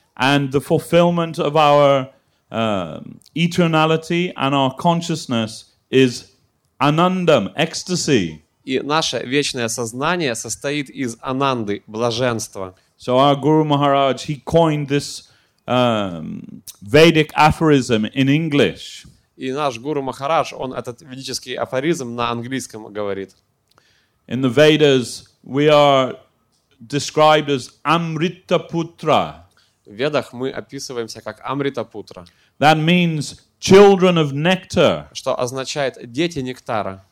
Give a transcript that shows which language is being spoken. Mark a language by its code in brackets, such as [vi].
[en] And the fulfillment of our eternality and our consciousness is anandam, ecstasy. [ru] И наше вечное сознание состоит из ананды, блаженства. [en] So our Guru Maharaj, he coined this Vedic aphorism in English. [ru] И наш Гуру Махарадж, он этот ведический афоризм на английском говорит. [en] In the Vedas, we are described as Amritaputra. [ru] В Ведах мы описываемся как Амритапутра. [en] That means children of nectar. [ru] Что означает дети нектара.